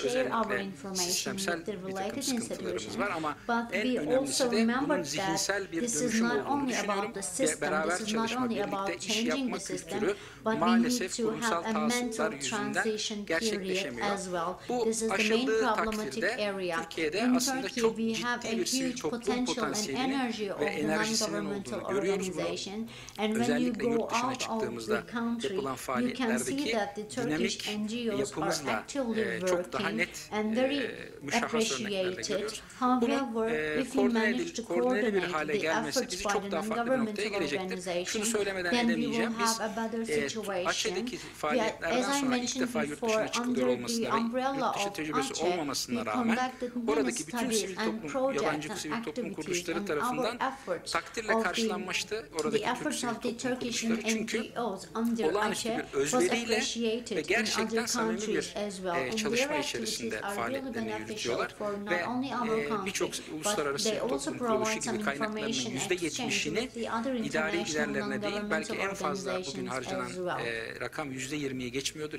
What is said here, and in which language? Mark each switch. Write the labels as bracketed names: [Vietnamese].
[Turkish] Özellikle sistemsel bir takım sıkıntılarımız var ama en önemlisi de bunun zihinsel bir dönüşüm olduğunu düşünüyorum. Beraber çalışma, birlikte iş yapma kültürü maalesef kurumsal tahsiller yüzünden gerçekleşemiyor. Bu aşıldığı takdirde Türkiye'de aslında çok ciddi bir sivil toplum potansiyelinin ve enerjisinin olduğunu görüyoruz. [English] And when you go out of the country, you can see that the Turkish NGOs are actively working and very appreciated. However, if you manage to coordinate the efforts by the non-governmental organization, then we will have a better situation. As I mentioned before, under the umbrella of ACE, we conducted many studies and projects and activities and our efforts of the [Turkish] oradaki Türk sivil toplum kuruluşları. Çünkü olağanüstü bir özveriyle ve gerçekten samimi bir çalışma içerisinde faaliyetlerini yürütüyorlar. Ve birçok uluslararası toplum kuruluşu gibi kaynaklarının %70'ini idari giderlerine değil, belki en fazla bugün harcanan rakam %20'ye geçmiyordur.